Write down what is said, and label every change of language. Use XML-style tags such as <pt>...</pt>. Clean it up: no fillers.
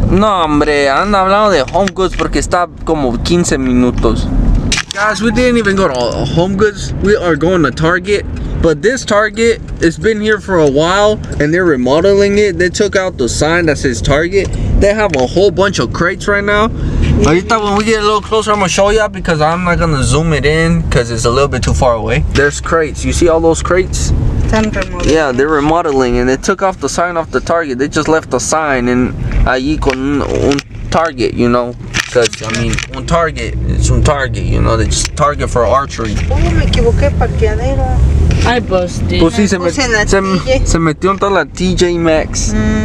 <es>No, hombre, anda hablando de home goods porque está como 15 minutos.</es> <en>Guys, we didn't even go to Home Goods. We are going to Target. But this Target, it's been here for a while and they're remodeling it. They took out the sign that says Target. They have a whole bunch of crates right now. Ahorita when we get a little closer, I'm gonna show you because I'm not gonna zoom it in because it's a little bit too far away. There's crates. You see all those crates? Yeah, they're remodeling and they took off the sign off the Target. They just left the sign and</en> <es>allí con un</es> <en>Target, you know. Because, I mean, on Target, it's on Target, you know, it's Target for archery.</en> <es>Oh, me equivoqué, parqueadero.</es> <en>I busted.</en> <es>Pues sí, se metió en toda la TJ Maxx.</es>